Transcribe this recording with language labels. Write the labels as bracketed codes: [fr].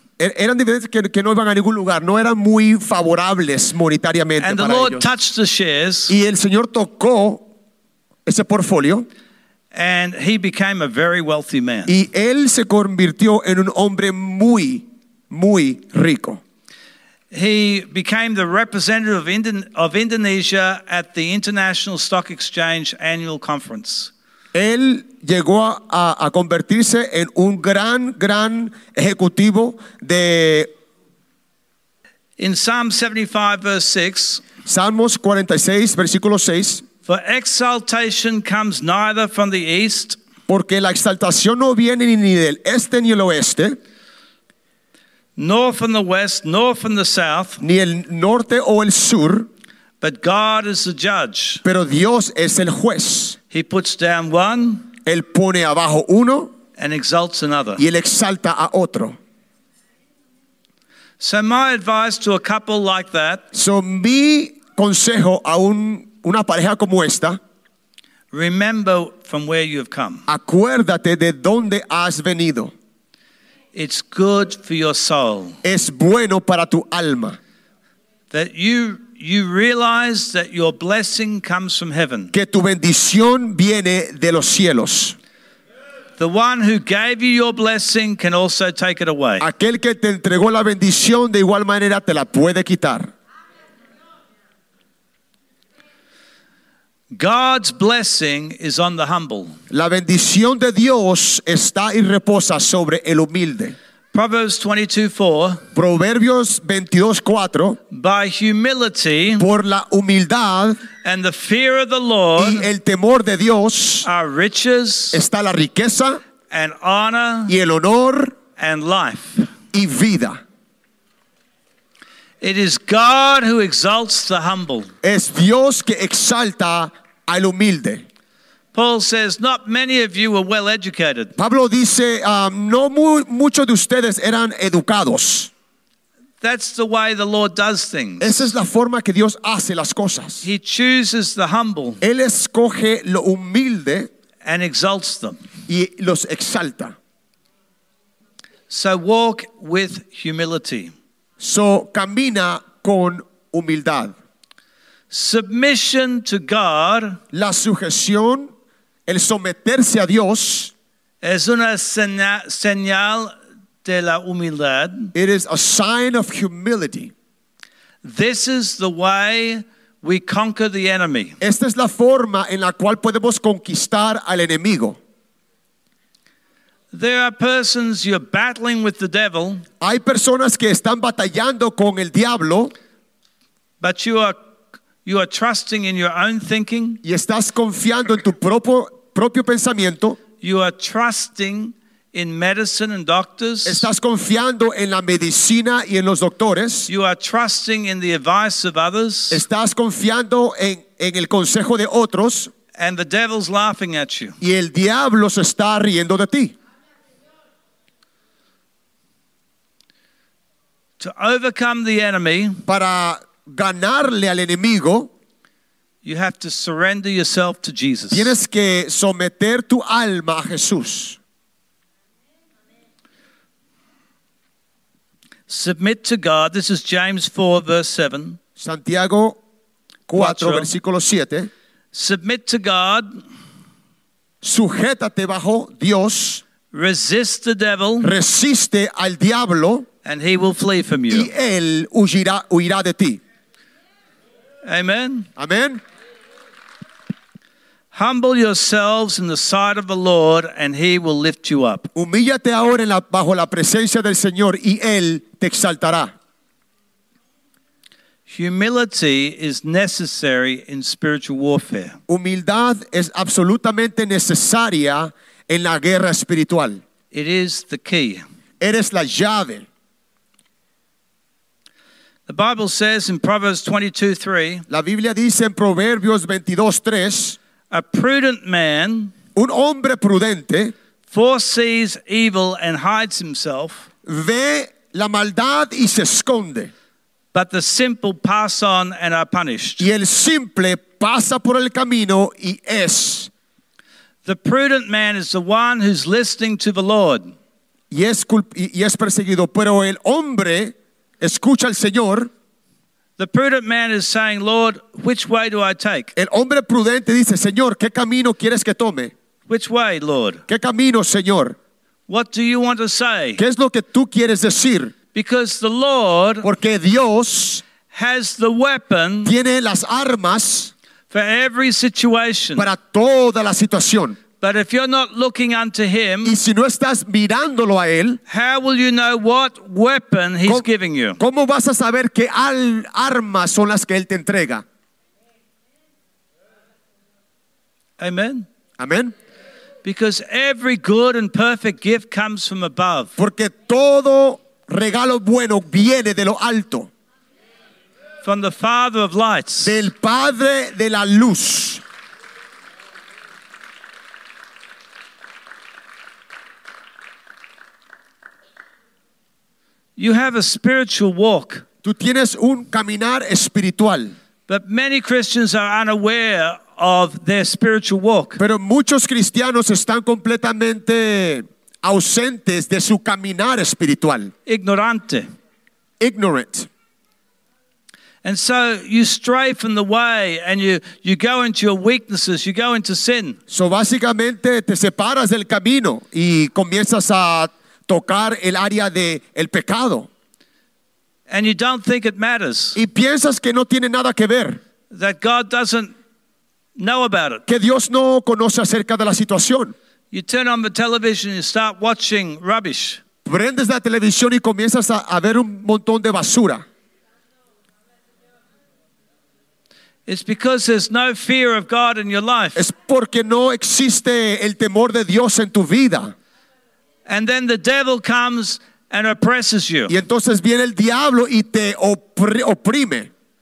[es] Eran dividendos que no iban a ningún lugar. No eran muy favorables monetariamente para ellos. [en] the Lord touched the shares. [es] Y el Señor tocó ese portfolio. [en] And he became a very wealthy man. [es] Y él se convirtió en un hombre muy, muy rico. [en] He became the representative of Indonesia at the International Stock Exchange annual conference. [es] Él llegó a convertirse en un gran, gran ejecutivo de. [en] In Psalm 75, verse 6. [es] Salmos 46, versículo 6. [en] For exaltation comes neither from the east. [es] Porque la exaltación no viene ni del este ni del oeste. [en] Nor from the west, nor from the south. [es] Ni el norte o el sur. [en] But God is the judge. [es] Pero Dios es el juez. [en] He puts down one. [es] Él pone abajo uno. [en] And exalts another. [es] Y él exalta a otro. [en] So my advice to a couple like that. [es] So mi consejo a una pareja como esta. [en] Remember from where you have come. [es] Acuérdate de dónde has venido. [en] It's good for your soul. [es] Es bueno para tu alma. [en] That you realize that your blessing comes from heaven. [es] Que tu bendición viene de los cielos. [en] The one who gave you your blessing can also take it away. [es] Aquel que te entregó la bendición de igual manera te la puede quitar. [en] God's blessing is on the humble. [es] La bendición de Dios está y reposa sobre el humilde. [en] Proverbs 22:4. [es] Proverbios 22:4. [en] By humility, [es] por la humildad, [en] and the fear of the Lord, [es] y el temor de Dios, [en] are riches, [es] está la riqueza, [en] and honor, [es] y el honor, [en] and life, [es] y vida. [en] It is God who exalts the humble. [es] Es Dios que exalta al humilde. [en] Paul says, "Not many of you were well educated." [es] Pablo dice, "No muchos de ustedes eran educados." [en] That's the way the Lord does things. [es] Esa es la forma que Dios hace las cosas. [en] He chooses the humble. [es] Él escoge lo humilde [en] and exalts them. [es] Y los exalta. [en] So walk with humility. [es] So camina con humildad. [en] Submission to God, [es] la sujeción, el someterse a Dios, es una señal de la humildad. [en] It is a sign of humility. This is the way we conquer the enemy. [es] Esta es la forma en la cual podemos conquistar al enemigo. [en] There are persons you're battling with the devil. [es] Hay personas que están batallando con el diablo. [en] But you are trusting in your own thinking. [es] Y estás confiando en tu propio pensamiento. [en] You are trusting in medicine and doctors. [es] Estás confiando en la medicina y en los doctores. [en] You are trusting in the advice of others. [es] Estás confiando en el consejo de otros. [en] And the devil's laughing at you. [es] Y el diablo se está riendo de ti. [en] To overcome the enemy, [es] para ganarle al enemigo, [en] You have to surrender yourself to Jesus. [es] Tienes que someter tu alma a Jesús. [en] Submit to God. This is James 4, verse 7. [es] Santiago 4, versículo 7. [en] Submit to God. [es] Sujétate bajo Dios. [en] Resist the devil. [es] Resiste al diablo. [en] And he will flee from you. [es] Y él huirá de ti. [en] Amen. [es] Amen. [en] Humble yourselves in the sight of the Lord, and he will lift you up. [es] Humíllate ahora bajo la presencia del Señor, y él te exaltará. [en] Humility is necessary in spiritual warfare. [es] Humildad es absolutamente necesaria en la guerra espiritual. [en] It is the key. [es] Eres la llave. [en] The Bible says in Proverbs 22:3. [es] La Biblia dice en Proverbios 22:3. [en] A prudent man, [es] un hombre prudente, [en] foresees evil and hides himself. [es] Ve la maldad y se esconde. [en] But the simple pass on and are punished. [es] Y el simple pasa por el camino y es. [en] The prudent man is the one who's listening to the Lord. [es] Y es perseguido, pero el hombre escucha al Señor. [en] The prudent man is saying, Lord, which way do I take? [es] El hombre prudente dice, Señor, ¿qué camino quieres que tome? [en] Which way, Lord? [es] ¿Qué camino, Señor? [en] What do you want to say? [es] ¿Qué es lo que tú quieres decir? [en] Because the Lord, [es] porque Dios, [en] has the weapon, [es] tiene las armas, [en] for every situation, [es] para toda la situación. [en] But if you're not looking unto him, [es] y si no estás mirándolo a él, [en] how will you know what weapon he's giving you? [es] ¿Cómo vas a saber qué armas son las que él te entrega? [en] Amen. [es] Amen. [en] Because every good and perfect gift comes from above. [es] Porque todo regalo bueno viene de lo alto. [en] From the Father of lights. [es] Del Padre de la luz. [en] You have a spiritual walk. [es] Tú tienes un caminar espiritual. [en] But many Christians are unaware of their spiritual walk. [es] Pero muchos cristianos están completamente ausentes de su caminar espiritual. Ignorante. [en] Ignorant. And so you stray from the way and you go into your weaknesses, you go into sin. [es] So básicamente te separas del camino y comienzas a tocar el área de el pecado. [en] And you don't think it matters. [es] Y piensas que no tiene nada que ver. [en] That God doesn't know about it. [es] Que Dios no conoce acerca de la situación. [en] You turn on the television and start watching rubbish. [es] Prendes la televisión y comienzas a ver un montón de basura. [en] It's because there's no fear of God in your life. [es] Es porque no existe el temor de Dios en tu vida. [en] And then the devil comes and oppresses you. [es] Y entonces viene el diablo y te oprime.